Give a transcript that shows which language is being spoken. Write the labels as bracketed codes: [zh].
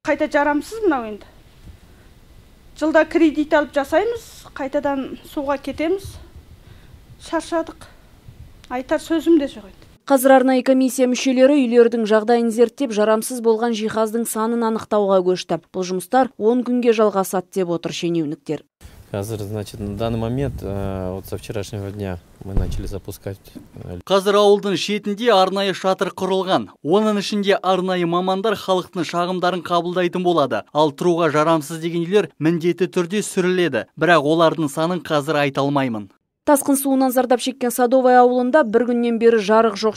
[kk] Қайта жарамсыз мынау енді. Жылда кредит алып жасаймыз, қайтадан суға кетеміз. Шаршадық. Айтар сөзім де жоқ. Қазір арнайы комиссия мүшелері үйлердің жағдайын зерттеп, жарамсыз болған жиһаздың санын анықтауға көшті. Бұл жұмыстар 10 күнге жалғасады деп отыр шенеуніктер. Қазір, [ru] значит, на данный момент, вот со вчерашнего дня мы начали запускать. [kk] Қазір ауылдың шетінде арнайы шатыр құрылған. Оның ішінде арнайы мамандар халықтың шағымдарын қабылдайтын болады. Ал тұруға жарамсыз деген үйлер міндетті түрде сүріледі. Бірақ олардың санын қазір айта алмаймын. Тасқын суынан зардап шеккен Садовое ауылында бір күннен бері жарық жоқ.